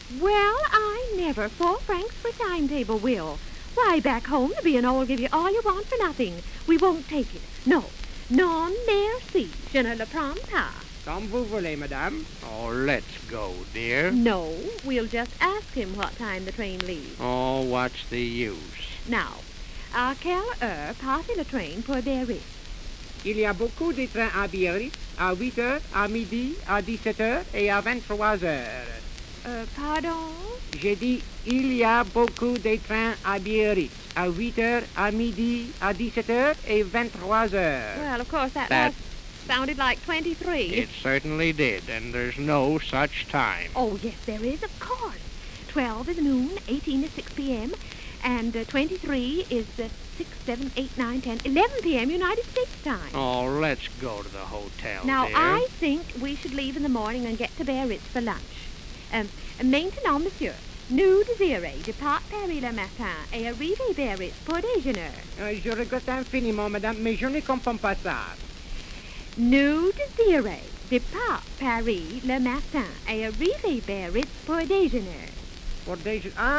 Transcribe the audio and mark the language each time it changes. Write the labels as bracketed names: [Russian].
[English] Well, I never. 4 francs for timetable, Will. Why, back home, the B&O will give you all you want for nothing. We won't take it. No. [French] Non, merci. Je ne le prends pas. Comme vous voulez, madame. [English] Oh, let's go, dear. No, we'll just ask him what time the train leaves. Oh, what's the use? [French] Now, à quelle heure passe le train pour Biarritz? Il y a beaucoup de trains à Biarritz, à 8 heures, à midi, à 17 heures et à 23 heures. [English] Pardon? [French] J'ai dit, il y a beaucoup de trains à Biarritz, à 8 heures, à midi, à 17 heures et 23 heures. [English] Well, of course, that sounded like 23. It certainly did, and there's no such time. Oh, yes, there is, of course. 12 is noon, 18 is 6 p.m., and 23 is 6, 7, 8, 9, 10, 11 p.m. United States time. Oh, let's go to the hotel, now, dear. I think we should leave in the morning and get to Biarritz for lunch. [French] Maintenant, monsieur. Nous désirons départ Paris le matin et arriver Biarritz pour déjeuner. Je regrette infiniment, madame, mais je ne comprends pas ça. Nous désirons départ Paris le matin et arriver Biarritz pour déjeuner.